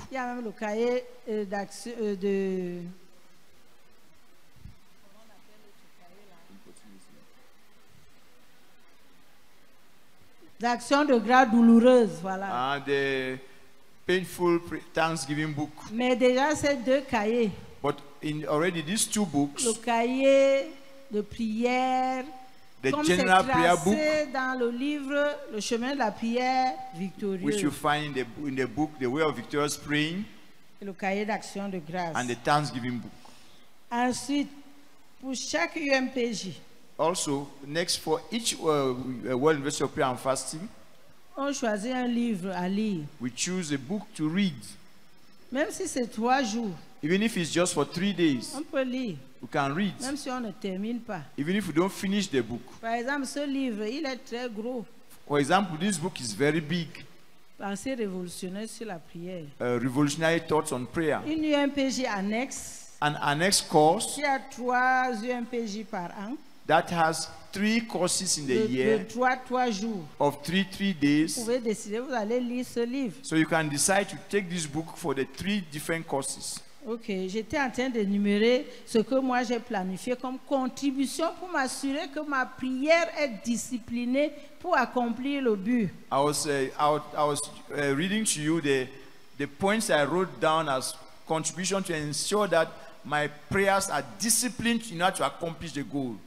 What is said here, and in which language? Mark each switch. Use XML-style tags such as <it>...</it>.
<fr>Il y a même le cahier d'action de d'action de grâce douloureuse, voilà.</fr> <en>The painful Thanksgiving book.</en> <fr>Mais déjà ces deux cahiers.</fr> <en>But in already these two books.</en> <fr>Le cahier de prière,</fr> <en>the general prayer book,</en> <fr>dans le livre Le chemin de la prière victorieuse,</fr> <en>which you find in the book The Way of Victorious Praying,</en> <fr>et le cahier d'action de grâce,</fr> <en>and the Thanksgiving book.</en> <fr>Ensuite, pour chaque UMPJ,</fr> <en>also next for each World University of Prayer and Fasting,</en> <fr>on choisit un livre à lire.</fr> <en>We choose a book to read.</en> <fr>Même si c'est 3 jours.</fr> <en>Even if it's just for 3 days.</en> <fr>On peut lire.</fr> <en>We can read.</en> <fr>Même si on ne termine pas.</fr> <en>Even if we don't finish the book.</en> <fr>Par exemple, ce livre, il est très gros.</fr> <en>For example, this book is very big.</en> <fr>Pensée révolutionnaire sur la prière.</fr> <en>Revolutionary thoughts on prayer.</en> <fr>Une UMPJ annexe.</fr> <en>An annex course.</en> <fr>Qui a 3 UMPJ par an.</fr> <en>That has 3 courses in the year.</en> <fr>De trois jours.</fr> <en>Of three days.</en> <fr>Vous pouvez décider, vous allez lire ce livre.</fr> <en>So you can decide to take this book for the 3 different courses.</en> <fr>Ok, j'étais en train d'énumérer ce que moi j'ai planifié comme contribution pour m'assurer que ma prière est disciplinée pour accomplir le but.</fr> <en>I was reading to you the points I wrote down as contribution to ensure that my prayers are disciplined in order to accomplish the goal.</en>